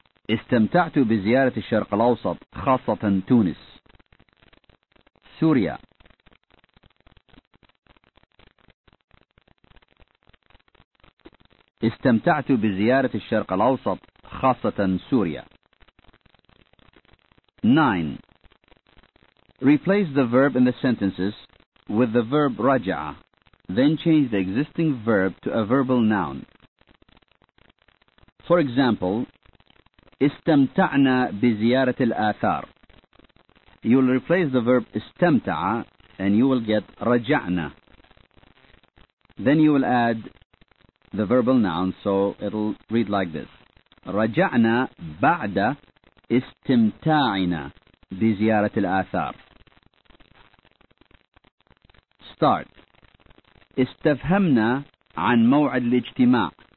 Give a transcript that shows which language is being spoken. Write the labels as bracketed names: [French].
[Arabic] استمتعت بزيارة الشرق الأوسط خاصة تونس. سوريا. استمتعت بزيارة الشرق الأوسط خاصة سوريا. [English] 9. Replace the verb in the sentences with the verb رجع. Then change the existing verb to a verbal noun. For example, [Arabic] استمتعنا بزيارة الآثار. [English] You will replace the verb استمتع and you will get رجعنا. Then you will add the verbal noun, so it'll read like this. [Arabic] رجعنا بعد استمتاعنا بزيارة الآثار. [English] Start. [Arabic] استفهمنا عن موعد الاجتماع.